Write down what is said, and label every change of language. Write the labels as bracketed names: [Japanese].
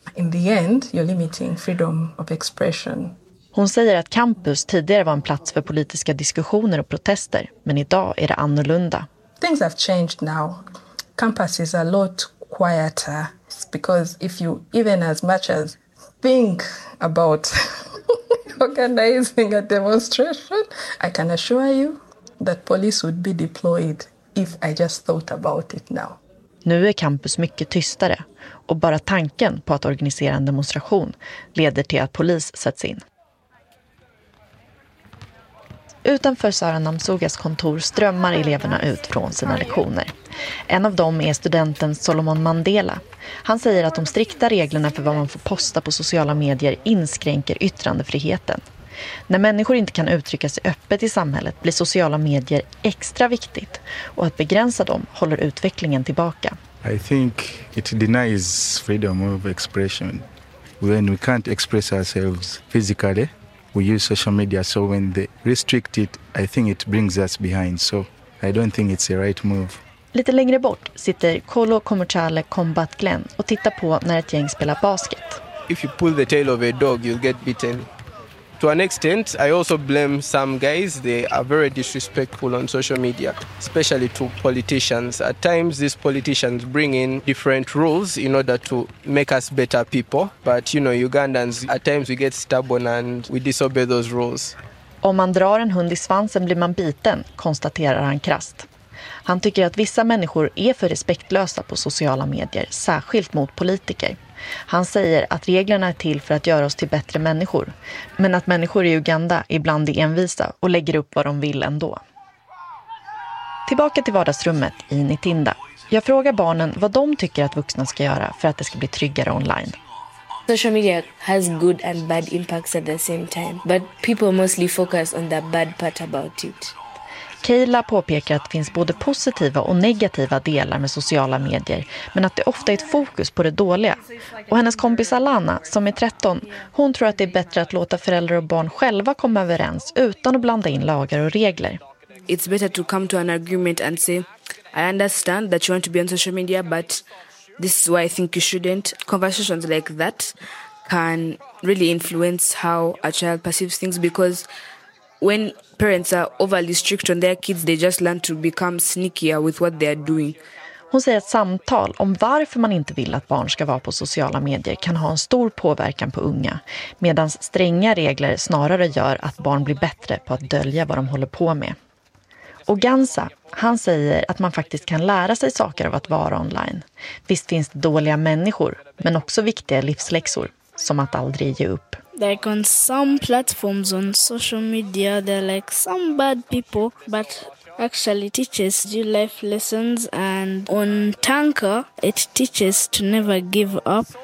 [English] In the end, you're limiting freedom of expression. [Swedish] Hon säger att campus tidigare var en plats för politiska diskussioner och protester, men idag är det annorlunda. [English] Things have changed now. Campus is a lot quieter because if you even as much as think about organizing a demonstration, I can assure you that police would be deployed if I just thought about it now. [Swedish] Nu är campus mycket tystare och bara tanken på att organisera en demonstration leder till att polis sätts in. Utanför Sara Namsugas kontor strömmar eleverna ut från sina lektioner. En av dem är studenten Solomon Mandela. Han säger att de strikta reglerna för vad man får posta på sociala medier inskränker yttrandefriheten. När människor inte kan uttrycka sig öppet i samhället blir sociala medier extra viktigt, och att begränsa dem håller utvecklingen tillbaka. [English] I think it denies freedom of expression when we can't express ourselves physically. We use social media, so when they restrict it, I think it brings us behind. So I don't think it's the right move. [Swedish] Lite längre bort sitter Kolo Komotjale Combat Glenn och tittar på när ett gäng spelar basket. [English] If you pull the tail of a dog, you'll get bitten. To an extent, I also blame some guys. They are very disrespectful on social media, especially to politicians. At times, these politicians bring in different rules in order to make us better people. But, you know, Ugandans, at times we get stubborn and we disobey those rules. [Swedish] Om man drar en hund i svansen blir man biten, konstaterar han krasst. Han tycker att vissa människor är för respektlösa på sociala medier, särskilt mot politiker. Han säger att reglerna är till för att göra oss till bättre människor, men att människor i Uganda ibland är envisa och lägger upp vad de vill ändå. Tillbaka till vardagsrummet i Nitinda. Jag frågar barnen vad de tycker att vuxna ska göra för att det ska bli tryggare online. [English] Social media has good and bad impacts at the same time, but people mostly focus on the bad part about it. [Swedish] Kayla påpekar att det finns både positiva och negativa delar med sociala medier, men att det ofta är ett fokus på det dåliga. Och hennes kompis Alana, som är 13, hon tror att det är bättre att låta föräldrar och barn själva komma överens utan att blanda in lagar och regler. [English] It's better to come to an agreement and say, I understand that you want to be on social media, but this is why I think you shouldn't. Conversations like that can really influence how a child perceives things, because when parents are overly strict on their kids, they just learn to become sneakier with what they are doing. [Swedish] Hon säger att samtal om varför man inte vill att barn ska vara på sociala medier kan ha en stor påverkan på unga. Medan stränga regler snarare gör att barn blir bättre på att dölja vad de håller på med. Och Gansa, han säger att man faktiskt kan lära sig saker av att vara online. Visst finns det dåliga människor, men också viktiga livsläxor, som att aldrig ge upp. [English] Like on some platforms on social media, they're like some bad people, but actually teaches you life lessons. And on Tanka, it teaches to never give up.